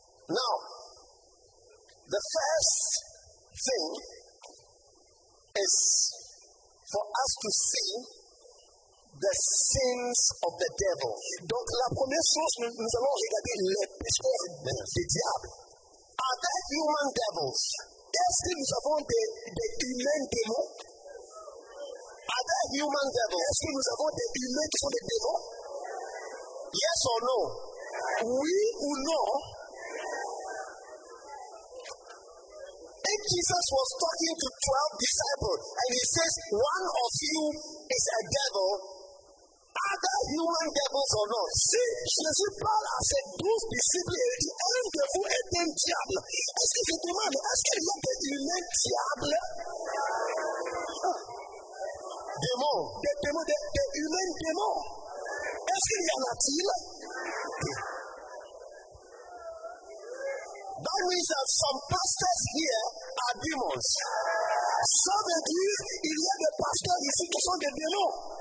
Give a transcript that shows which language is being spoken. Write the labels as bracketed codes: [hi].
[en] Now, the first thing is for us to see the sins of the devil. [fr] Donc la première chose, nous allons regarder les péchés du diable. [en] Are there human devils? [fr] Est-ce que nous avons des humains démons? [en] Are there human devils? [fr] Est-ce que nous avons des humains qui sont des démons? [en] Yes or no? [fr] Oui ou non? [en] And Jesus was talking to 12 disciples and he says, one of you is a devil. Are there human devils or not? [fr] Si Jésus parle à ses 12 disciples, il dit, un de vous est un diable. Est-ce que je demande, est-ce qu'il y a des humains diables? Démons. Des démons, des humains démons. Est-ce qu'il y en a-t-il? [en] That means that some pastors here are demons. [fr] sans l'église, il y a des pasteurs ici qui sont des démons.